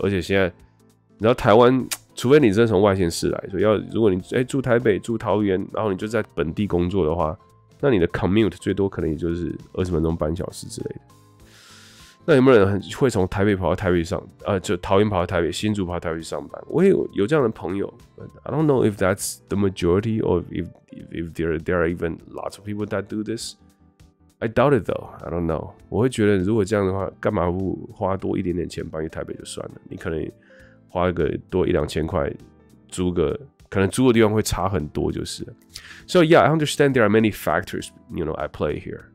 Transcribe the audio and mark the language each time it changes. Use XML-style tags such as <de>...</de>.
<zh>而且现在，你知道台湾，除非你真的从外县市来，所以要如果你住台北、住桃园，然后你就在本地工作的话，那你的 commute 最多可能也就是20分钟、半小时之类的。那有没有人会从台北跑到台北上，就桃园跑到台北、新竹跑到台北上班？我也有这样的朋友</zh> <en>，but I don't know if that's the majority or if there are even lots of people that do this. I doubt it though. I don't know.</en> <zh>我会觉得如果这样的话，干嘛不花多一点点钱搬去台北就算了？你可能花个多一两千块租个，可能租的地方会差很多，就是。</zh> <en>So yeah, I understand there are many factors, you know, at play here.</en>